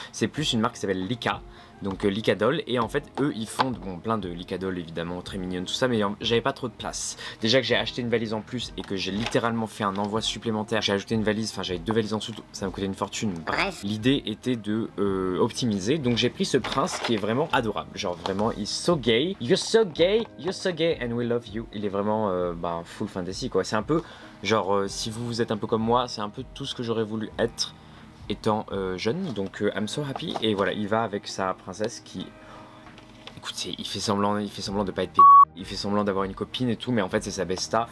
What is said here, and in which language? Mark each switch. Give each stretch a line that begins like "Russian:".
French: C'est plus une marque qui s'appelle Lika, donc Lika Doll. Et en fait, eux, ils font bon, plein de Lika Doll évidemment, très mignonne, tout ça, mais j'avais pas trop de place. Déjà que j'ai acheté une valise en plus et que j'ai littéralement fait un envoi supplémentaire, j'ai ajouté une valise, enfin j'avais deux valises en dessous, ça m'a coûté une fortune. Bref, l'idée était de optimiser, donc j'ai pris ce prince qui est vraiment adorable. Genre vraiment,
English: he's so gay, you're so gay, you're so gay and we love you.
French: Il est vraiment full fantasy quoi. C'est un peu, genre si vous êtes un peu comme moi, c'est un peu tout ce que j'aurais voulu être étant jeune, donc
English: I'm so happy.
French: Et voilà, il va avec sa princesse qui, écoutez, il fait semblant de pas être pédé, il fait semblant d'avoir une copine et tout, mais en fait c'est sa besta.